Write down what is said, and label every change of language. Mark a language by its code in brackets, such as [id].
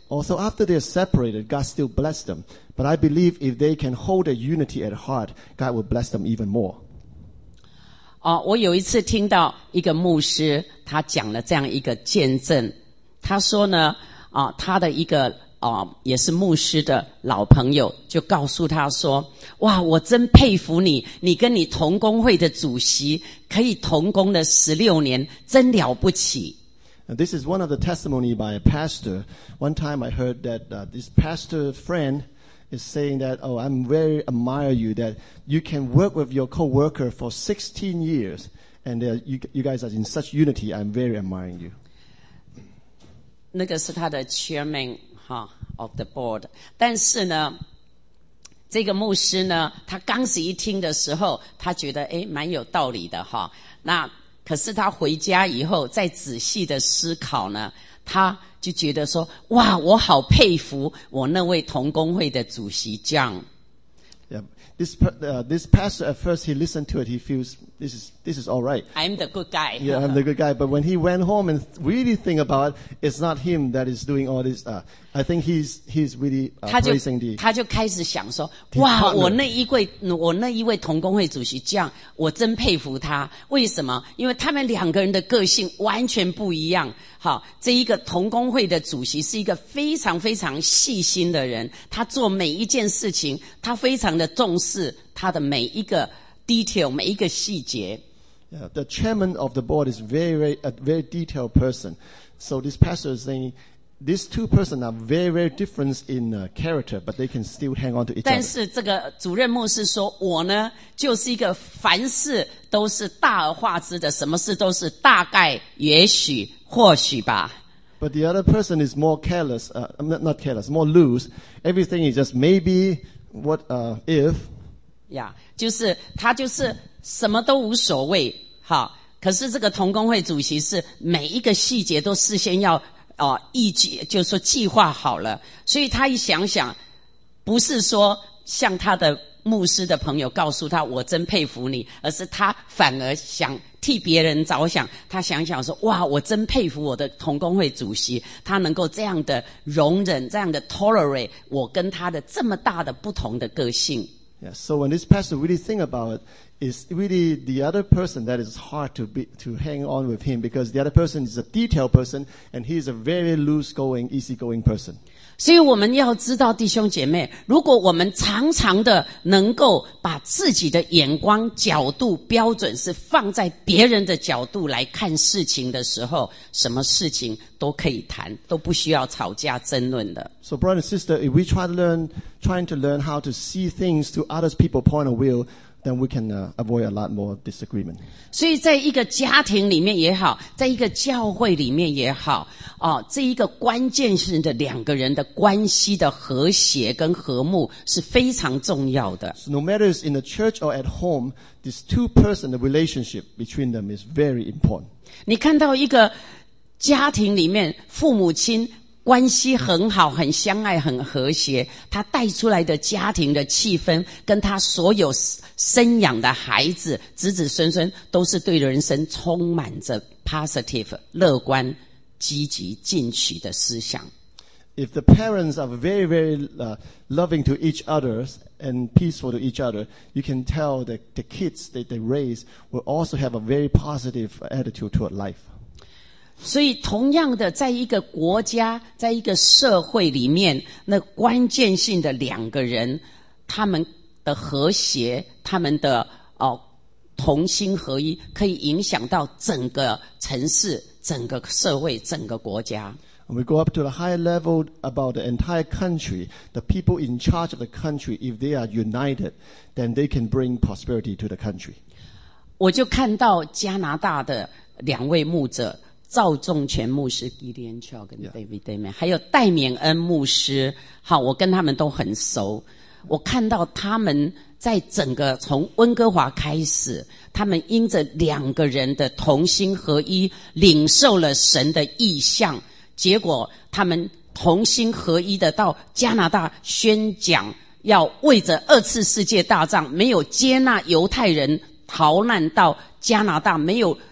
[en] Also, after they are separated, God still blessed them. But I believe if they can hold a unity at heart, God will bless them even more. [zh] 我有一次听到一个牧师，他讲了这样一个见证。他说呢，他的一个也是牧师的老朋友就告诉他说，哇，我真佩服你，你跟你同工会的主席可以同工了16年，真了不起。 [en] And this is one of the testimony by a pastor. One time I heard that, this pastor friend is saying that, oh, I'm very admire you that you can work with your co-worker for 16 years and you guys are in such unity. I'm very admiring you. [zh] 那个是他的 [en] chairman,of the board. [zh] 但是呢这个牧师呢他刚子一听的时候他觉得蛮有道理的哈。那可是他回家以后再仔细的思考呢他就觉得说哇我好佩服我那位同工会的主席 John。 [en] Yep. This pastor at first he listened to it, he feels this is all right. I'm the good guy. Yeah, I'm the good guy. But when he went home and really think about it, it's not him that is doing all this. I think he's really praising the. [zh] 他就开始想说，哇，我那一位同工会主席这样，我真佩服他。为什么？因为他们两个人的个性完全不一样。好，这一个同工会的主席是一个非常非常细心的人，他做每一件事情，他非常的重视他的每一个。 Detail, 每一个细节。 [en] Yeah, the chairman of the board is a very detailed person. So this pastor is saying, these two persons are very, very different in character, but they can still hang on to each other. [zh] 但是这个主任牧师说，我呢，就是一个凡事都是大而化之的，什么事都是大概、也许、或许吧。 [en] But the other person is more careless, not careless, more loose. Everything is just maybe, what, if, [zh] Yeah, 就是他就是什么都无所谓好可是这个同工会主席是每一个细节都事先要就是说计划好了所以他一想想不是说像他的牧师的朋友告诉他我真佩服你而是他反而想替别人着想他想想说哇我真佩服我的同工会主席他能够这样的容忍这样的 tolerate 我跟他的这么大的不同的个性 [en] Yeah, so when this pastor really think about it, it's really the other person that is hard to hang on with him because the other person is a detailed person and he is a very loose-going, easy-going person. [zh] 所以我们要知道弟兄姐妹如果我们常常的能够把自己的眼光角度标准是放在别人的角度来看事情的时候什么事情都可以谈都不需要吵架争论的 [en] So brother and sister if we trying to learn how to see things to other people's point of view then we can avoid a lot more disagreement [zh] 所以在一个家庭里面也好在一个教会里面也好这一个关键是的两个人的关系的和谐跟和睦是非常重要的 [en] So no matter it's in the church or at home this two person the relationship between them is very important [zh] 你看到一个家庭里面父母亲关系很好很相爱很和谐他带出来的家庭的气氛跟他所有生养的孩子子子孙孙都是对人生充满着 positive 乐观积极进取的思想 [en] If the parents are very very loving to each other and peaceful to each other you can tell that the kids that they raise will also have a very positive attitude toward life [zh] 所以同样的在一个国家在一个社会里面那关键性的两个人他们的和谐他们的同心合一可以影响到整个城市整个社会整个国家 [en] We go up to the high level about the entire country the people in charge of the country if they are united then they can bring prosperity to the country [zh] 我就看到加拿大的两位牧者赵仲全牧师 Gideon Chow 跟 David Damian、yeah. 还有戴冕恩牧师好我跟他们都很熟我看到他们在整个从温哥华开始他们因着两个人的同心合一领受了神的意象结果他们同心合一的到加拿大宣讲要为着二次世界大战没有接纳犹太人逃难到加拿大没有